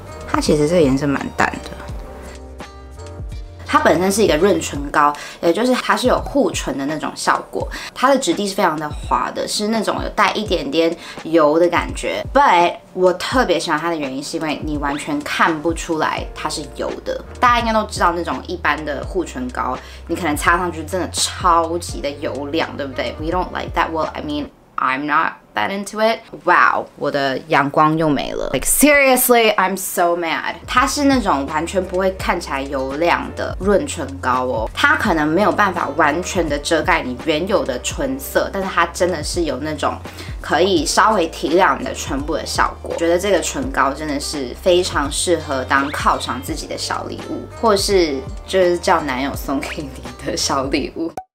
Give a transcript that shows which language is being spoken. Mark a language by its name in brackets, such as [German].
[Chinese] 它其实这个颜色蛮淡的，它本身是一个润唇膏，也就是它是有护唇的那种效果，它的质地是非常的滑的，是那种有带一点点油的感觉。 But 我特别喜欢它的原因是因为你完全看不出来它是油的。大家应该都知道那种一般的护唇膏，你可能擦上去真的超级的油亮，对不对？ [English] We don't like that. Well, I mean, I'm not that into it. Wow, [Chinese] 我的阳光又没了。 [English] Like seriously, I'm so mad. [Chinese] 它是那种完全不会看起来油亮的润唇膏哦，它可能没有办法完全的遮盖你原有的唇色，但是它真的是有那种可以稍微提亮你的唇部的效果。觉得这个唇膏真的是非常适合当犒赏自己的小礼物，或是就是叫男友送给你的小礼物。